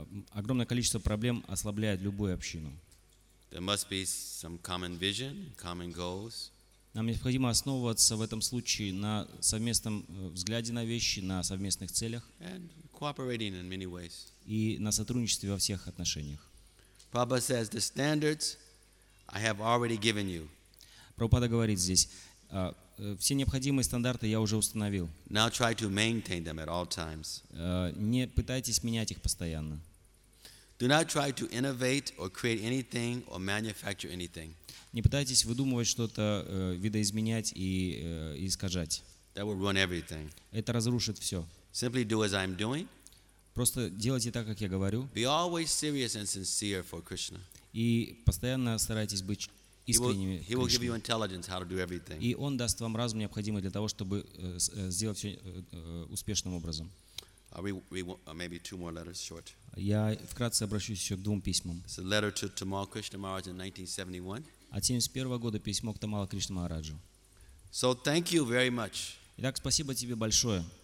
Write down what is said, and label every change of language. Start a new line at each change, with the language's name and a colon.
Russian: Огромное количество проблем ослабляет любую общину.
English: There must be some common vision, common goals.
Russian: Нам необходимо основываться в этом случае на совместном взгляде на вещи, на совместных целях.
English: And cooperating in many ways.
Russian: И на сотрудничестве во всех отношениях.
English: Prabhupada says the standards I have already given you.
Russian: Прабхупада говорит здесь. Все необходимые стандарты я уже установил.
English: Now try to maintain them at all times.
Russian: Не пытайтесь менять их постоянно.
English: Do not try to innovate or create anything or manufacture anything.
Russian: Не пытайтесь выдумывать что-то, видоизменять и искажать.
English: That will ruin everything.
Russian: Это разрушит все.
English: Simply do as I'm doing.
Russian: Просто делайте так, как я говорю.
English: Be always serious and sincere for Krishna.
Russian: И постоянно старайтесь быть
English: He will give you intelligence how to do everything.
Russian: И он даст вам разум, необходимый для того, чтобы сделать все успешным образом.
English: Maybe two more letters short.
Russian: Я вкратце обращусь еще к двум письмам.
English: It's a letter to Tamal Krishna Maharaj in 1971.
Russian: От 71 года письмо к Тамала Кришна Махараджу.
English: So thank you very much.
Russian: Итак, спасибо тебе большое.